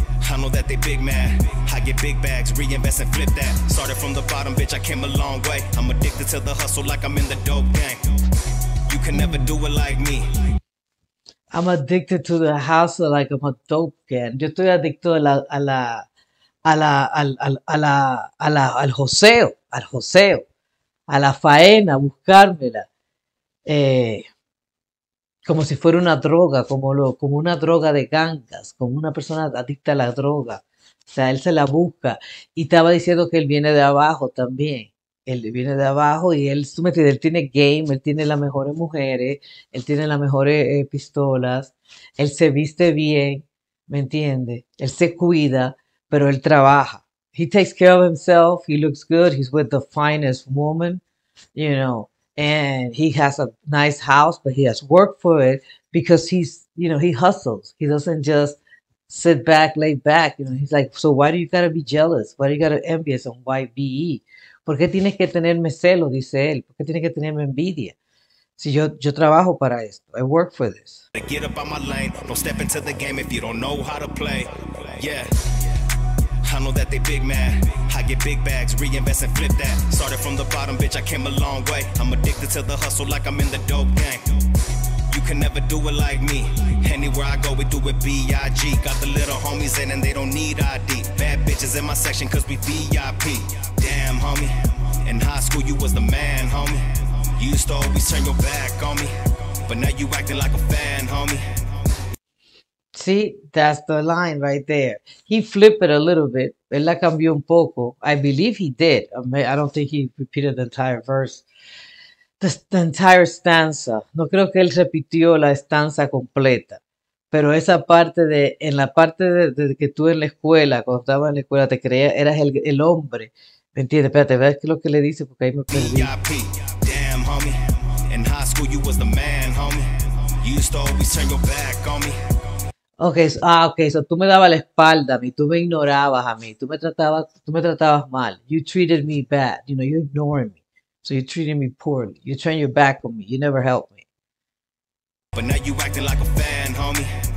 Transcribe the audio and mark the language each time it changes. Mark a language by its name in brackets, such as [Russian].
[English] I know that they big mad. I get big bags, reinvest and flip that. Started from the bottom, bitch, I came a long way. I'm addicted to the hustle like I'm in the dope gang. You can never do it like me. I'm addicted to the hustle like I'm a dope can. [Spanish] Yo estoy adicto al joseo, al joseo, a la faena, a buscármela. Como si fuera una droga, como una droga de gangas, como una persona adicta a la droga. O sea, él se la busca. Y estaba diciendo que él viene de abajo también. Él viene de abajo y él, tú me entiendes, él tiene game, él tiene las mejores mujeres, él tiene las mejores pistolas, él se viste bien, ¿me entiendes? Él se cuida, pero él trabaja. [English] He takes care of himself, he looks good, he's with the finest woman, you know, and he has a nice house, but he has worked for it because he's, you know, he hustles. He doesn't just sit back, lay back, you know, he's like, so why do you gotta be jealous? Why do you gotta envious on YBE? [Spanish] ¿Por qué tienes que tenerme celo? Dice él. ¿Por qué tienes que tenerme envidia? Si yo trabajo para esto. [English] I work for this. Get up on my lane, don't step into the game if you don't know how to play. Yeah, I know that they big mad. I get big bags, reinvest and flip that. Started from the bottom, bitch, I came a long way. I'm addicted to the hustle like I'm in the dope gang. You can never do it like me. Anywhere I go, we do it B.I.G. Got the little homies in and they don't need ID. Bad bitches in my section cause we VIP. Damn, homie, in high school you was the man, homie. You used to always turn your back on me, but now you acting like a fan, homie. See, that's the line right there. He flipped it a little bit. [Spanish] Él la cambió un poco. [English] I believe he did. I don't think he repeated the entire verse. The entire stanza. [Spanish] No creo que él repitió la estanza completa. Pero esa parte de, en la parte de que tú en la escuela, cuando estabas en la escuela, te creías, eras el hombre. ¿Me entiendes? Espérate, ¿ves qué es lo que le dice? Porque ahí me perdí. [English] VIP, damn homie, homie. In high school, you was the man, homie. You used to always turn your back on me. [Spanish] Okay, so tú me dabas la espalda a mí, tú me ignorabas a mí, tú me tratabas mal. [English] You treated me bad, you know, you're ignoring me. So you're treating me poorly. You turn your back on me. You never helped me. But now you acting like a fan, homie.